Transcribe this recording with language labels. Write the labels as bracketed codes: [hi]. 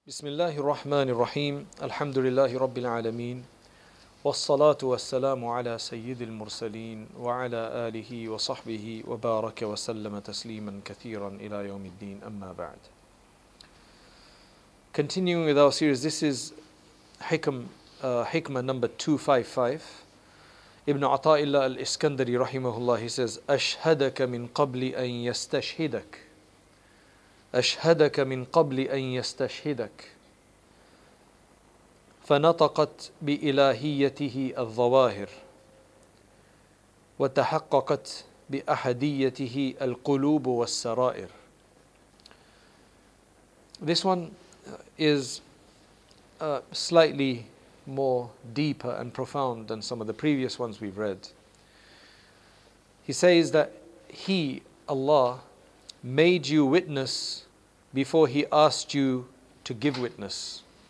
[ar] بسم الله الرحمن الرحيم الحمد لله رب العالمين والصلاة والسلام على سيد المرسلين وعلى آله وصحبه وبارك وسلم تسليما كثيرا إلى يوم الدين أما بعد. [en] Continuing with our series, this is Hikmah number 255. Ibn Ata'illah al-Iskandari rahimahullah, he says, [ar] أشهدك من قبل أن يستشهدك. أشهدك من قبل أن يستشهدك فنطقت بإلهيته الظواهر وتحققت بأحديته القلوب والسرائر. [en] This one is slightly more deeper and profound than some of the previous ones we've read. He says that he, Allah, made you witness before he asked you to give witness.